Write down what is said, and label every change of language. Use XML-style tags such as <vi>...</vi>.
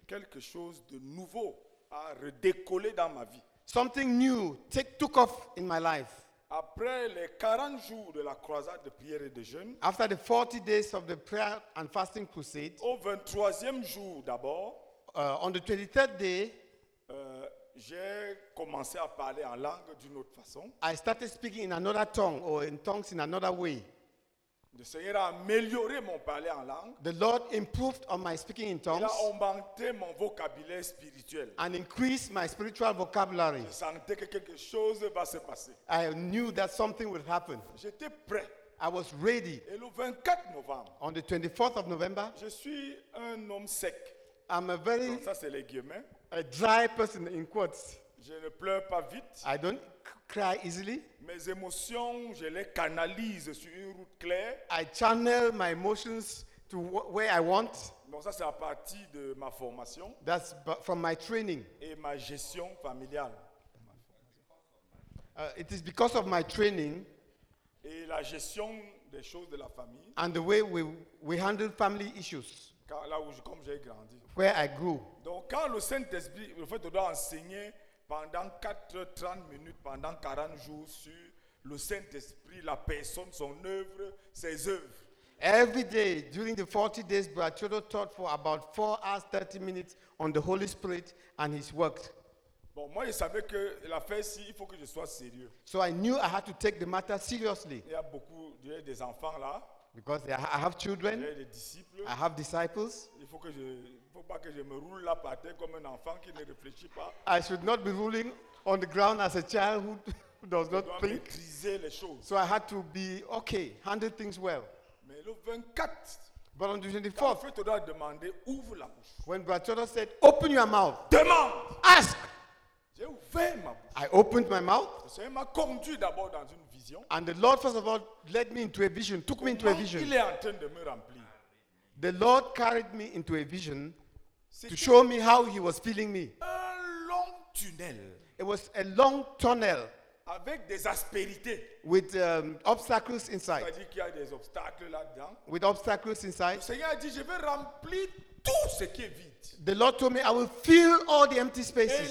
<fr>Quelque chose de nouveau a redécollé dans ma vie.</fr> <en>Something new took off in my life.</en> <fr>Après les 40 jours de la croisade de prière et de jeûne,</fr> <en>after the 40 days of the prayer and fasting crusade,</en> <fr>au 23e jour d'abord,</fr> <en>on the 23rd day,</en> <fr>j'ai commencé à parler en langue d'une autre façon.</fr> <en>I started speaking in another tongue or in tongues in another way.</en> <fr>Le Seigneur a amélioré mon parler en langue.</fr> <en>The Lord improved on my speaking in tongues.</en> <fr>Il a augmenté mon vocabulaire spirituel.</fr> <en>And increased my spiritual vocabulary.</en> <fr>Je sentais que quelque chose va se passer.</fr> <en>I knew that something would happen.</en> <fr>J'étais prêt.</fr> <en>I was ready.</en> <fr>Et le 24 novembre.</fr> <en>On the 24th of November.</en> <fr>Je suis un homme sec.</fr> <en>I'm a very.</en> <fr>Donc ça c'est les guillemets.</fr> <en>A dry person in quotes.</en> <fr>Je ne pleure pas vite.</fr> <en>I don't cry easily.</en> <fr>Mes émotions, je les canalise sur une route claire.</fr> <en>I channel my emotions to where I want.</en> <fr>Donc ça, c'est à partir de ma formation.</fr> <en>That's from my training.</en> <fr>Et ma gestion familiale.</fr> <en>It is because of my training.</en> <fr>Et la gestion des choses de la famille.</fr> <en>And the way we handle family issues.</en> <fr>Car là où comme j'ai grandi.</fr> <en>Where I grew.</en> <fr>Donc quand le Saint-Esprit, le fait de doit enseigner pendant 4-30 minutes, pendant 40 jours sur le Saint-Esprit, la personne, son œuvre, ses œuvres.</fr> <en>Every day, during the 40 days, Bratiodo taught for about 4 hours, 30 minutes on the Holy Spirit and his works.</en> <fr>Bon, moi, je savais que l'affaire, si, il faut que je sois sérieux.</fr> <en>So I knew I had to take the matter seriously.</en> <fr>Il y a beaucoup des enfants là.</fr> <en>Because I have children.</en> <fr>J'ai des disciples.</fr> <en>I have disciples.</en> <fr>Il faut que je... Faut pas que je me roule là par terre comme un enfant qui ne réfléchit pas.</fr> <en>I should not be rolling on the ground as a child who does not think.</en> <fr>Je dois maîtriser les choses.</fr> <en>So I had to be okay, handle things well.</en> <fr>Mais le 24.</fr> <en>But on the 24th.</en> <fr>Quand tu dois demander, ouvre la bouche.</fr> <en>When Bratiodo said, open your mouth.</en> <fr>Demande.</fr> <en>Ask.</en> <fr>J'ai ouvert ma bouche.</fr> <en>I opened my mouth.</en> <fr>Le Seigneur m'a conduit d'abord dans une vision.</fr> <en>vision. And the Lord, first of all, led me into a vision, took me into a vision.</en> <fr>Il est en train de me remplir.</fr> <en>The Lord carried me into a vision to show me how he was filling me.</en> <fr>Un long tunnel.</fr> <en>It was a long tunnel.</en> <fr>Avec des aspérités.</fr> <en>With obstacles inside.</en> <fr>C'est-à-dire qu'il y a des obstacles là-dedans.</fr> <en>With obstacles inside.</en> <fr>Le Seigneur a dit, je vais remplir tout ce qui est vide.</fr> <en>The Lord told me, I will fill all the empty spaces.</en>